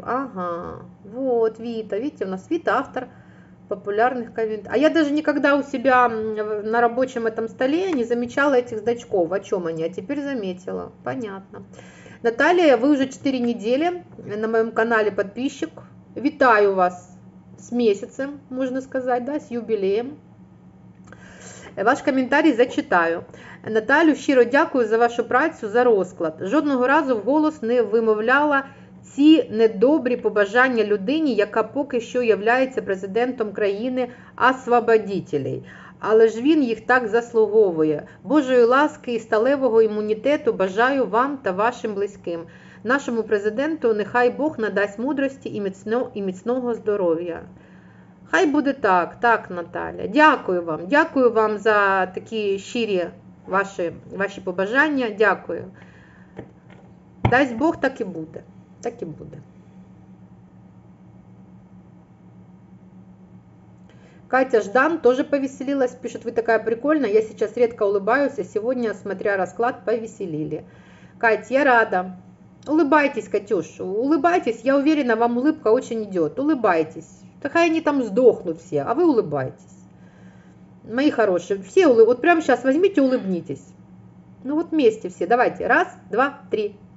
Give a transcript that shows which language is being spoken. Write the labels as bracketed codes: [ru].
[ru] Ага, вот Вита, видите, у нас Вита автор популярных комментариев. А я даже никогда у себя на рабочем этом столе не замечала этих значков, о чем они, а теперь заметила. Понятно. Наталья, вы уже 4 недели на моем канале подписчик. Витаю вас с месяцем, можно сказать, да, с юбилеем. Ваш коментарий зачитаю. [uk] Наталю, щиро дякую за вашу працю, за розклад. Жодного разу в голос не вимовляла ці недобрі побажання людині, яка поки що являється президентом країни освободителей. Але ж він їх так заслуговує. Божої ласки і сталевого імунітету бажаю вам та вашим близьким. Нашому президенту нехай Бог надасть мудрості і міцного здоров'я. Хай буде так, так, Наталя. Дякую вам за такі щирі ваші побажання, дякую. Дасть Бог, так і буде, так і буде. Катя Ждан теж повеселилась, пише, ви така прикольна, я зараз рідко улыбаюсь, а сьогодні, смотря розклад, повеселили. Катя, я рада. [ru] Улыбайтесь, Катюш, улыбайтесь, я уверена, вам улыбка очень идет, улыбайтесь. Хай они там сдохнут все, а вы улыбайтесь. Мои хорошие, все улыбайтесь. Вот прямо сейчас возьмите, улыбнитесь. Ну вот вместе все, давайте. Раз, два, три.